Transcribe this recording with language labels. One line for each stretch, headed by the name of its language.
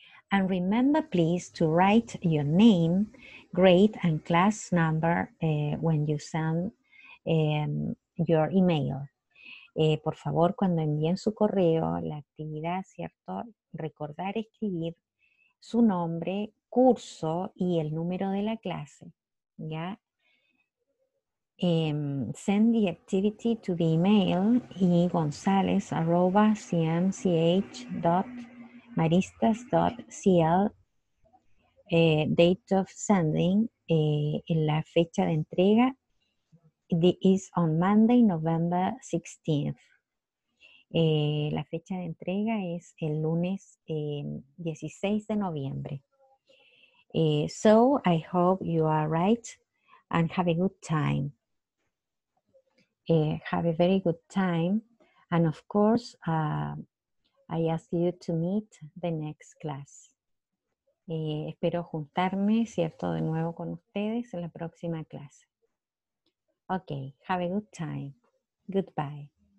English: And remember, please, to write your name, grade, and class number when you send your email.
Spanish: Por favor, cuando envíen su correo, la actividad, ¿cierto? Recordar escribir su nombre, curso y el número de la clase, ¿ya?
English: Send the activity to the email igonzalez@cmch.maristas.cl. Date of sending,
Spanish: en la fecha de entrega,
English: is on Monday, November 16th.
Spanish: La fecha de entrega es el lunes 16 de noviembre.
English: So, I hope you are right and have a good time. Have a very good time. And of course, I ask you to meet the next class.
Spanish: Espero juntarme, ¿cierto?, de nuevo con ustedes en la próxima clase.
English: Okay, have a good time. Goodbye.